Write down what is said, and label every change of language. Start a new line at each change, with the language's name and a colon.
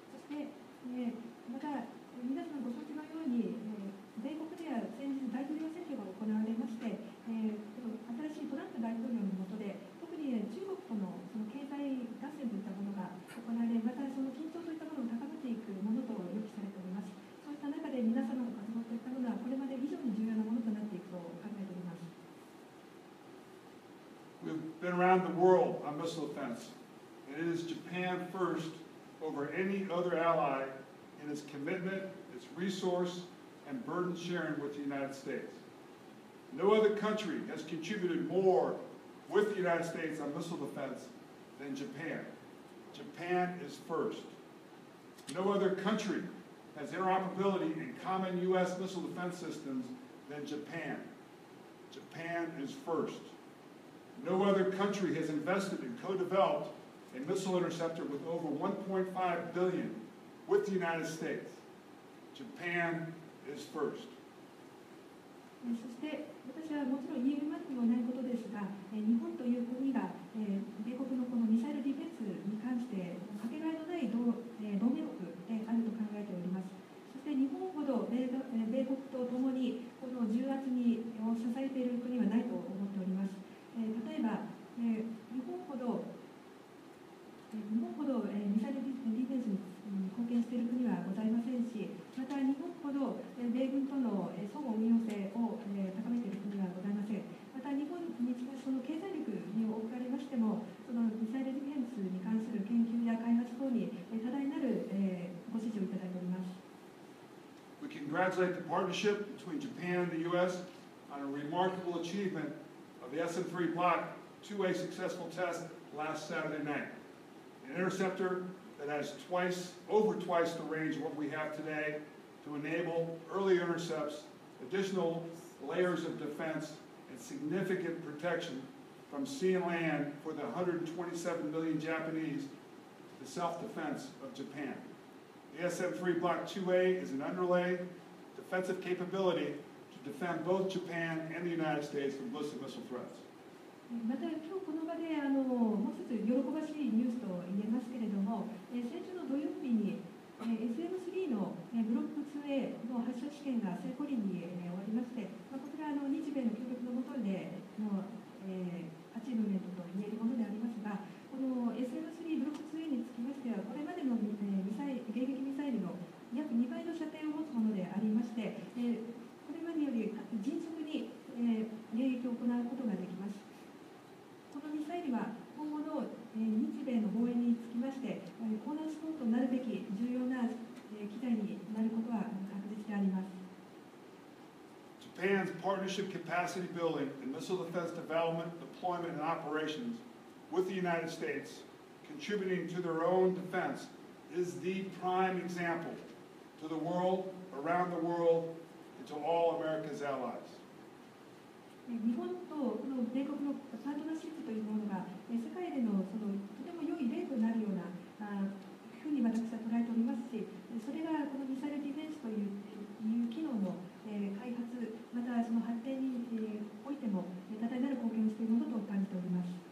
Japanese: でまた皆さんご承知のように米国では先日大統領選挙が行われまして新しいトランプ大統領の下で特に中国と その経済合戦といったものが行われまたその緊張といったものを高めていくものと予期されております。そうした中で皆様の活動といったものはこれまで以上に重要なものとなっていくと考えております。
English: We've been around the world on missile defense and it is Japan firstover any other ally in its commitment, its resource, and burden sharing with the United States. No other country has contributed more with the United States on missile defense than Japan. Japan is first. No other country has interoperability in common U.S. missile defense systems than Japan. Japan is first. No other country has invested and co-developeda missile interceptor with over $1.5 billion with the United States. Japan is first.
Japanese: そして私はもちろん言えるまでもないことですが、日本という国が米国のこのミサイルディフェンスに関してかけがえのない同盟国であると考えております。そして日本ほど米国とともにこの重圧を支えている国はないと思っております。例えば日本ほど日本ほどミサイルディフェンスに貢献している国はございませんし、また日本ほど米軍との相互運用性を高めている国はございません。また日本につきその経済力におかれましても、そのミサイルディフェンスに関する研究や開発等に多大なるご支持をいただいております。
English: We congratulate the partnership between Japan and the U.S. on a remarkable achievement of the SM-3 Block 2A successful test last Saturday night. An interceptor that has over twice the range of what we have today to enable early intercepts, additional layers of defense, and significant protection from sea and land for the 127 million Japanese, the self-defense of Japan. The SM-3 Block 2A is an underlay defensive capability to defend both Japan and the United States from ballistic missile threats.
Japanese: また今日この場でもう一つ喜ばしいニュースと言えますけれども、先週の土曜日に SM-3 のブロック 2A の発射試験が成功裏に終わりまして、まあ、こちら日米の協力のもとでの、アチーブメントと言えるものでありますが、この SM-3 ブロック 2A につきましては、これまでの迎撃ミサイルの約2倍の射程を持つものでありまして、これまでより迅速に迎撃を行うことができます。このミサイルは今後の日米の防衛につきましてコーナーストーンとなるべき重要な機体になることは確実であります。
English: Japan's partnership capacity building and missile defense development, deployment and operations with the United States, contributing to their own defense, is the prime example to the world, around the world, and to all America's allies.
Japanese: 日本とこの米国のパートナーシップというものが世界で の, そのとても良い例となるようなふうに私は捉えておりますし、それがこのミサイルディフェンスと い, という機能の開発、またその発展においても多大なる貢献をしているものと感じております。